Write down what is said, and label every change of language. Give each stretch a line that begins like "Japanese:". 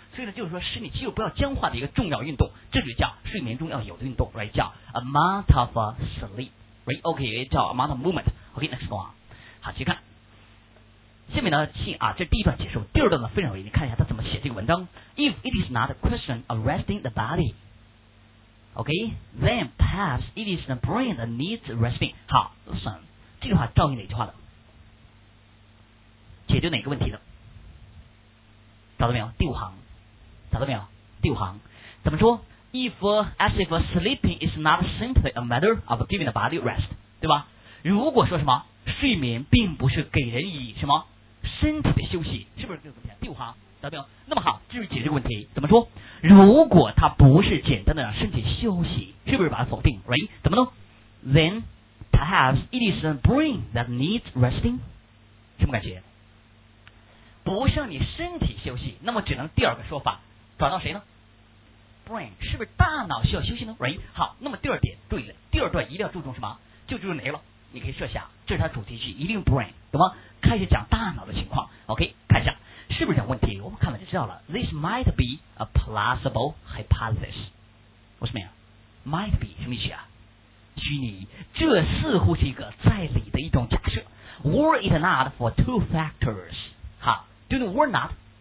Chinese: 所以呢，就是说使你肌肉不要僵化的一个重要运动，这就叫睡眠中要有的运动 ，right？
English: 叫 amount of sleep，right？ OK， 叫 amount of movement。OK， next one。
Chinese: 好，请看下面呢，信啊，这第一段结束，第二段呢非常有意思，你看一下他怎么写这个文章。
English: If it is not a question of resting the body， OK， then perhaps it is the brain that needs resting。
Chinese: 好 ，listen， 这句话照应哪句话的？解决哪个问题的？找到没有？第五行。找到没有？第五行怎么说
English: ？If as if sleeping is not simply a matter of giving the body rest，
Chinese: 对吧？如果说什么睡眠并不是给人以什么身体的休息，是不是这个问题？第五行找到没有？那么好，就是解决这个问题。怎么说？如果它不是简单的让身体休息，是不是把它否定 ？Right？怎么弄
English: ？Then perhaps it is a brain that needs resting，
Chinese: 什么感觉？不是让你身体休息，那么只能第二个说法。转到谁呢 ？Brain 是不是大脑需要休息呢 ？Right， 好，那么第二点注意了，第二段一定要注重什么？就注重哪个了？你可以设想，这是他主题句，一定 brain， 懂吗？开始讲大脑的情况 ，OK， 看一下是不是讲问题？我们看了就知道了。
English: This might be a plausible hypothesis，
Chinese: 我什么呀 ？Might be 什么意思啊？虚拟，这似乎是一个在理的一种假设。
English: Were it not for two factors， 好 ，do you were not。